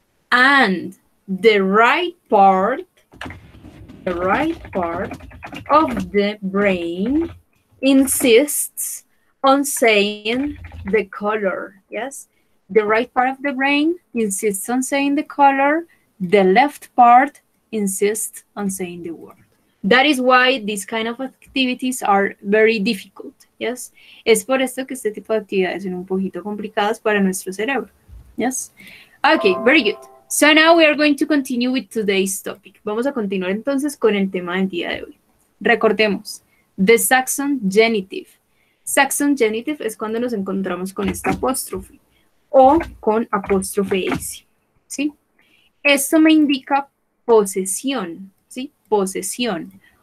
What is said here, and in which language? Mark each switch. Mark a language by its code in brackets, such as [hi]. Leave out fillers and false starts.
[en] And the right part of the brain insists on saying the color. Yes? The right part of the brain insists on saying the color. The left part insists on saying the word. That is why these kind of activities are very difficult. Yes? [es] Es por esto que este tipo de actividades son un poquito complicadas para nuestro cerebro. [en] Yes? Okay, very good. So now we are going to continue with today's topic. [es] Vamos a continuar entonces con el tema del día de hoy. Recordemos, the Saxon genitive. Saxon genitive es cuando nos encontramos con esta apóstrofe o con apóstrofe S. ¿Sí? Esto me indica posesión, ¿sí? Posesión.